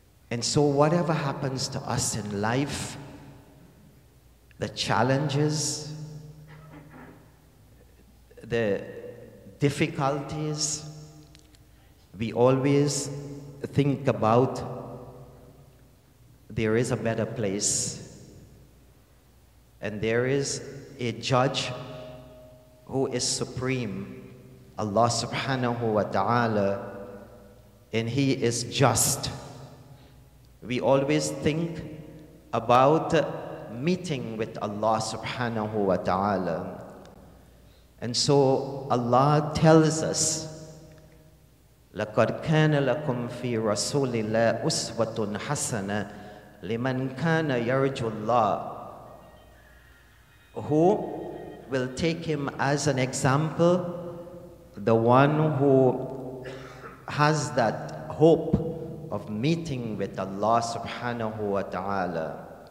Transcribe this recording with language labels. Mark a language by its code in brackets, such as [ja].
[en] And so whatever happens to us in life, the challenges, the difficulties, we always think about there is a better place, and there is a judge who is supreme, Allah subhanahu wa ta'ala, and He is just. We always think about meeting with Allah subhanahu wa ta'ala. And so Allah tells us [ar] لقد كان لكم في رسول الله أسوة حسنة لمن كان يرجو الله. [en] Who will take him as an example? The one who has that hope of meeting with Allah subhanahu wa ta'ala.